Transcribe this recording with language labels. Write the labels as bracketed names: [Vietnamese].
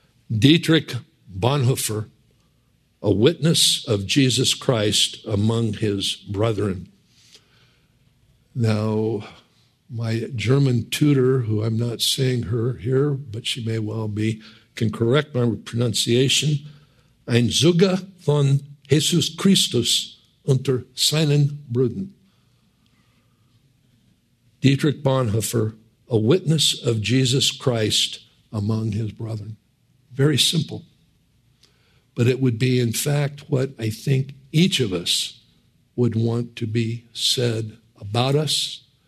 [English] Dietrich Bonhoeffer, a witness of Jesus Christ among his brethren. Now, my German tutor, who I'm not seeing her here, but she may well be, can correct my pronunciation. [German] Ein Zeuge von Jesus Christus unter seinen Brüdern. [English] Dietrich Bonhoeffer, a witness of Jesus Christ among his brethren. Very simple. But it would be, in fact, what I think each of us would want to be said about us.